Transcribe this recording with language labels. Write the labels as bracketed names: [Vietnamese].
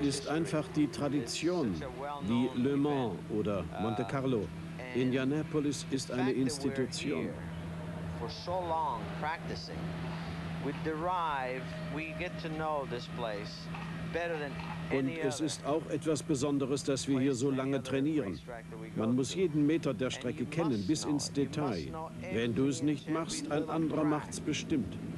[German] ist einfach die Tradition, wie Le Mans oder Monte Carlo. Indianapolis ist eine Institution. [English] For so long practicing, we derive, we get to know this place better than. [German] Und es ist auch etwas Besonderes, dass wir hier so lange trainieren. Man muss jeden Meter der Strecke kennen, bis ins Detail. Wenn du es nicht machst, ein anderer macht es bestimmt.